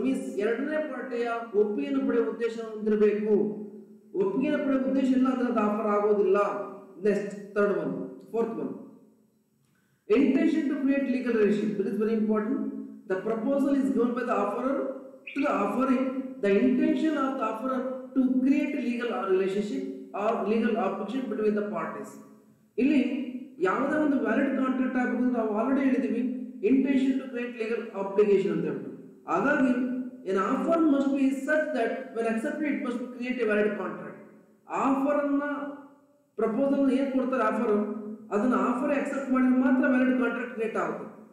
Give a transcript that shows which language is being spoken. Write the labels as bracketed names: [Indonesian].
[Kannada] Means ಎರಡನೇ ಪಾರ್ಟಿಯ ಒಪ್ಪಿಗೆಯನ್ನು ಪಡೆಯುವ ಉದ್ದೇಶ ಹೊಂದಿರಬೇಕು. ಒಪ್ಪಿಗೆಯನ್ನು ಪಡೆಯುವ ಉದ್ದೇಶ ಇಲ್ಲ ಅಂದ್ರೆ ಅದು ಆಫರ್ ಆಗೋದಿಲ್ಲ. [English] Next third one, fourth one, intention to create legal relation. That is very important. The proposal is given by the offerer to the offering. The intention of the offerer to create a legal relationship or legal obligation between the parties. [Kannada] ಇಲ್ಲಿ ಯಾವುದೇ ಒಂದು valid contract ಆಗಬೇಕು ಅಂತ ನಾವು already ಹೇಳಿದ್ದೀವಿ, intention to create legal application ಅಂತ ಹೇಳ್ಬಿಟ್ಟು. [English] ಹಾಗಾಗಿ an offer must be such that when accepted it must create a valid contract. [Kannada] Offer ಅನ್ನ ಪ್ರಪೋಸಲ್ ಏನು ಕೊಡ್ತಾರೆ ಆಫರ್, ಅದನ್ನು ಆಫರ್ ಅಕ್ಸೆಪ್ಟ್ ಮಾಡಿದ್ರೆ ಮಾತ್ರ ವ್ಯಾಲಿಡ್ ಕಾಂಟ್ರಾಕ್ಟ್ ಕ್ರಿಯೇಟ್ ಆಗುತ್ತೆ.